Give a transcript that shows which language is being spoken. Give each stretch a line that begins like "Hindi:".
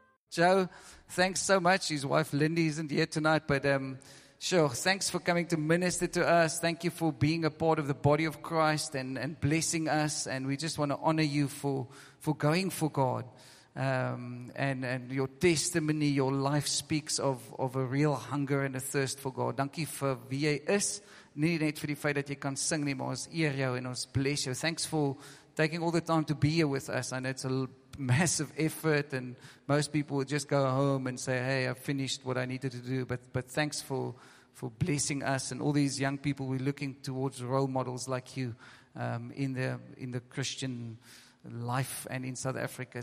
English: Joe, thanks so much. His wife Lindy isn't here tonight, but thanks for coming to minister to us. Thank you for being a part of the body of Christ and blessing us. And we just want to honor you for going for God. And your testimony, your life speaks of a real hunger and a thirst for God.
Afrikaans: Dankie vir wie jy is. Nie net vir die feit dat jy kan sing nie, maar ons eer jou en ons bless jou.
English: Thanks for taking all the time to be here with us. I know it's a massive effort and most people would just go home and say, hey, I've finished what I needed to do. But thanks for blessing us and all these young people. We're looking towards role models like you in the Christian life and in South Africa.